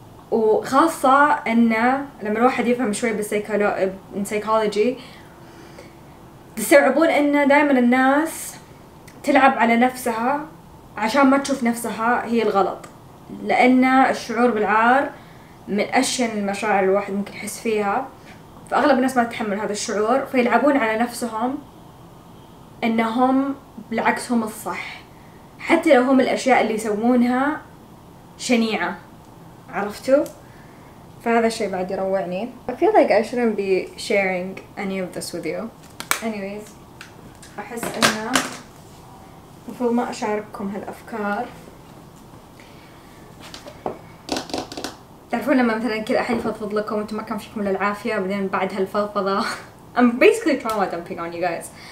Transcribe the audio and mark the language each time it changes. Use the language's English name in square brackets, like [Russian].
[Arabic] وخاصة إنه لما الواحد يفهم شوي بالسيكولوجي تستوعبون إنه دائما الناس تلعب على نفسها عشان ما تشوف نفسها هي الغلط، لأن الشعور بالعار من أشين المشاعر الواحد ممكن يحس فيها، فأغلب الناس ما تتحمل هذا الشعور، فيلعبون على نفسهم إنهم بالعكس هم الصح، حتى لو هم الأشياء اللي يسوونها شنيعة، عرفتوا؟ فهذا الشيء بعد يروعني. [English] I feel like I shouldn't be sharing any of this with you. [Arabic] Anyways, أحس أنه مفروض ما أشارككم هالأفكار. تعرفون لما مثلاً كذا أحد يفضفض لكم وأنتم ما كان فيكم للعافية، بعدين بعد هالفضفضة [English] I'm basically trauma dumping on you guys.